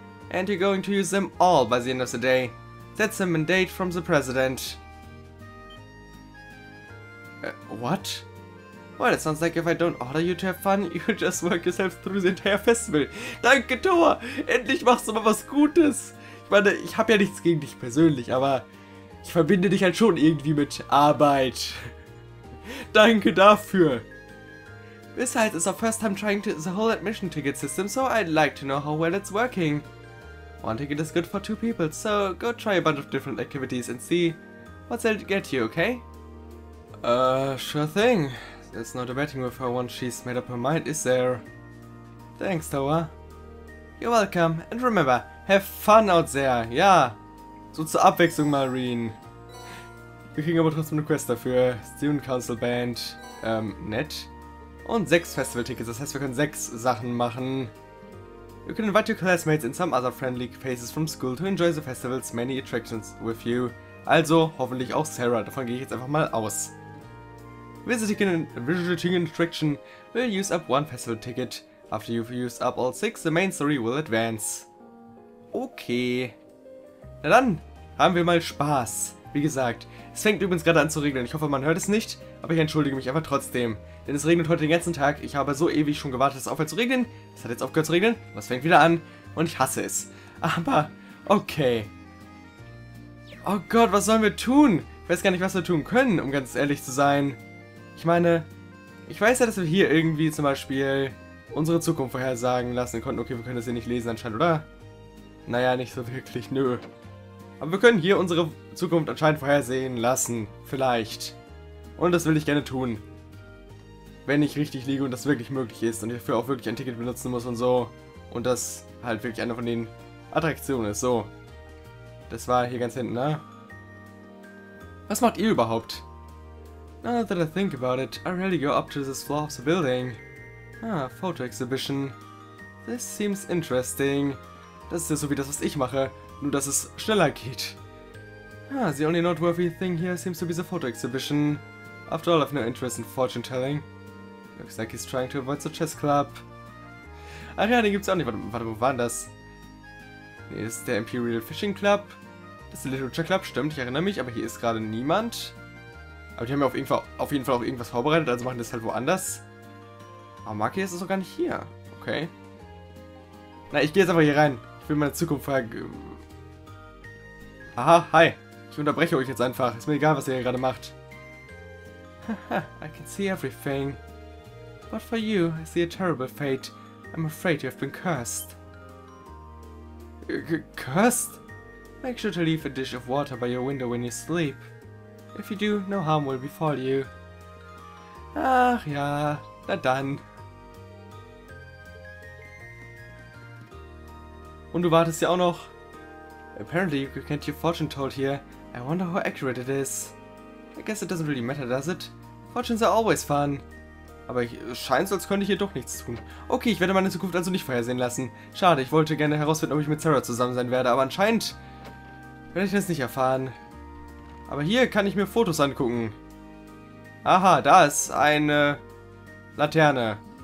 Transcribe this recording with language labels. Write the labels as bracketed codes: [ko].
[en] And you're going to use them all by the end of the day. That's a mandate from the president. What? Well, it sounds like if I don't order you to have fun, you just work yourself through the entire festival. [de] Danke, Toa! Endlich machst du mal was Gutes! Ich meine, ich habe ja nichts gegen dich persönlich, aber ich verbinde dich halt schon irgendwie mit Arbeit. Danke dafür. [en] Besides, it's our first time trying the whole admission ticket system, so I'd like to know how well it's working. One ticket is good for two people, so go try a bunch of different activities and see what they'll get you, okay? Sure thing. There's no debating with her once she's made up her mind, is there? Thanks, Toa. You're welcome, and remember, have fun out there, ja. [de] So zur Abwechslung mal, Rean. Wir kriegen aber trotzdem eine Quest dafür. Student Council Band. Nett. Und 6 Festival-Tickets, das heißt, wir können 6 Sachen machen. [en] You can invite your classmates in some other friendly faces from school to enjoy the festival's many attractions with you. [de] Also, hoffentlich auch Sarah, davon gehe ich jetzt einfach mal aus. [en] Visiting an attraction will use up one festival ticket. After you've used up all 6, the main story will advance. [de] Okay. Na dann, haben wir mal Spaß. Wie gesagt, es fängt übrigens gerade an zu regnen. Ich hoffe, man hört es nicht, aber ich entschuldige mich einfach trotzdem. Denn es regnet heute den ganzen Tag. Ich habe so ewig schon gewartet, dass es aufhört zu regnen. Es hat jetzt aufgehört zu regnen. Was fängt wieder an. Und ich hasse es. Aber, okay. Oh Gott, was sollen wir tun? Ich weiß gar nicht, was wir tun können, um ganz ehrlich zu sein. Ich meine, ich weiß ja, dass wir hier irgendwie zum Beispiel unsere Zukunft vorhersagen lassen konnten. Okay, wir können das hier nicht lesen anscheinend, oder? Naja, nicht so wirklich, nö. Aber wir können hier unsere Zukunft anscheinend vorhersehen lassen, vielleicht. Und das will ich gerne tun. Wenn ich richtig liege und das wirklich möglich ist und ich dafür auch wirklich ein Ticket benutzen muss und so. Und das halt wirklich eine von den Attraktionen ist, so. Das war hier ganz hinten, ne? Was macht ihr überhaupt? [en] Now that I think about it, I rarely go up to this floor of the building. Ah, photo exhibition. This seems interesting. [de] Das ist ja so wie das, was ich mache, nur dass es schneller geht. [en] Ah, the only noteworthy thing here seems to be the photo exhibition. After all, I've no interest in fortune telling. Looks like he's trying to avoid the chess club. [de] Ach ja, den gibt's auch nicht. Warte, wo war denn das? Nee, das ist der Imperial Fishing Club. Das ist der Literature Club, stimmt, ich erinnere mich, aber hier ist gerade niemand. Aber die haben ja auf jeden Fall auch irgendwas vorbereitet, also machen das halt woanders. Aber Maki ist doch gar nicht hier. Okay. Na, ich gehe jetzt einfach hier rein. Ich will meine Zukunft fragen. Aha, hi. Ich unterbreche euch jetzt einfach. Ist mir egal, was ihr hier gerade macht. [en] Haha, I can see everything. But for you, I see a terrible fate. I'm afraid you have been cursed. Cursed? Make sure to leave a dish of water by your window when you sleep. If you do, no harm will befall you. [de] Ach ja, na dann. Und du wartest ja auch noch. [en] Apparently you can get your fortune told here. I wonder how accurate it is. I guess it doesn't really matter, does it? Fortunes are always fun. [de] Aber es scheint so, als könnte ich hier doch nichts tun. Okay, ich werde meine Zukunft also nicht vorhersehen lassen. Schade, ich wollte gerne herausfinden, ob ich mit Sarah zusammen sein werde, aber anscheinend werde ich das nicht erfahren. Aber hier kann ich mir Fotos angucken. Aha, da ist eine Laterne.